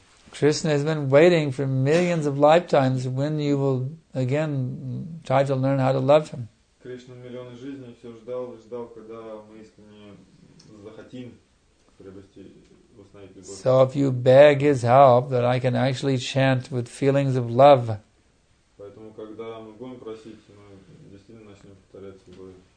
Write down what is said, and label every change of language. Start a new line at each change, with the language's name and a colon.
English: Krishna has been waiting for millions of lifetimes when you will again try to learn how to love him.
Russian: Krishna миллионы жизней все ждал и ждал, когда мы искренне захотим приобрести восстановить любовь.
English: So if you beg his help that I can actually chant with feelings of love.
Russian: Поэтому когда мы будем просить, мы действительно начнем повторять любовь.